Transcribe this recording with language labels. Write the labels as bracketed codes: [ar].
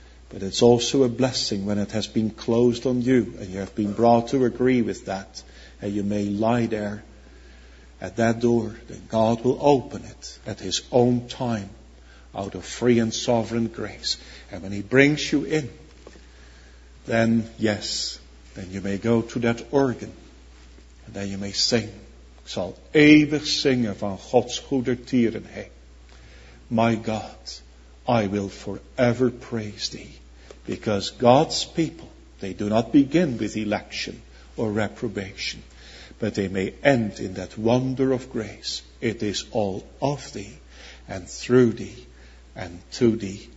[en] But it's also a blessing when it has been closed on you, and you have been brought to agree with that, and you may lie there at that door, then God will open it at his own time, out of free and sovereign grace. And when he brings you in, then yes, then you may go to that organ, and then you may sing. [nl] Ik zal eeuwig zingen van Gods goedertierenheid. [en] My God, I will forever praise thee. Because God's people, they do not begin with election or reprobation, but they may end in that wonder of grace. It is all of thee, and through thee, and to thee.